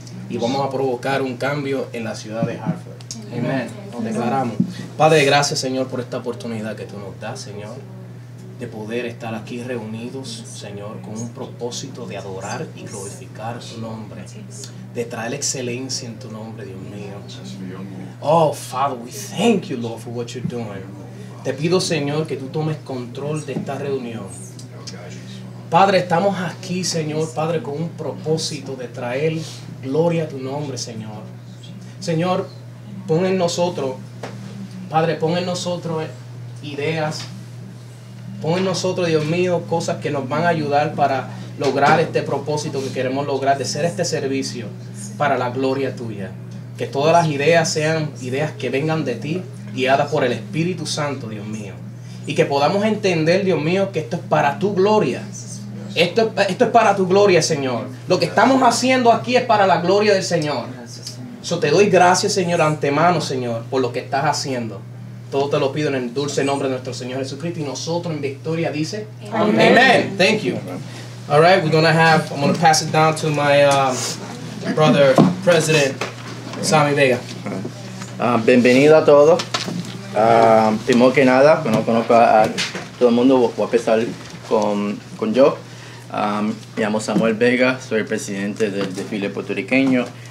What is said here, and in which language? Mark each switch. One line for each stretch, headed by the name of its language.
Spanish: Y vamos a provocar un cambio en la ciudad de Hartford. Amén. Nos declaramos. Padre, gracias, Señor, por esta oportunidad que tú nos das, Señor, de poder estar aquí reunidos, Señor, con un propósito de adorar y glorificar tu nombre, de traer excelencia en tu nombre, Dios mío.
English: Oh, Father, we thank you, Lord, for what you're doing.
Spanish: Te pido, Señor, que tú tomes control de esta reunión. Padre, estamos aquí, Señor, Padre, con un propósito de traer gloria a tu nombre, Señor. Señor, pon en nosotros, Padre, pon en nosotros ideas. Pon en nosotros, Dios mío, cosas que nos van a ayudar para lograr este propósito que queremos lograr de hacer este servicio para la gloria tuya. Que todas las ideas sean ideas que vengan de ti, guiadas por el Espíritu Santo, Dios mío. Y que podamos entender, Dios mío, que esto es para tu gloria. Esto es para tu gloria, Señor. Lo que estamos haciendo aquí es para la gloria del Señor. Yo te doy gracias, Señor, antemano, Señor, por lo que estás haciendo. Todo te lo pido en el dulce nombre de nuestro Señor Jesucristo. Y nosotros en victoria dice, amén.
English: Amen. Thank you. All right, we're going to have, I'm going to pass it down to my brother president, Sammy Vega.
Spanish: Bienvenido a todos. Primero que nada, bueno, conozco a todo el mundo. Voy a empezar con yo. Me llamo Samuel Vega, soy el presidente del desfile puertorriqueño.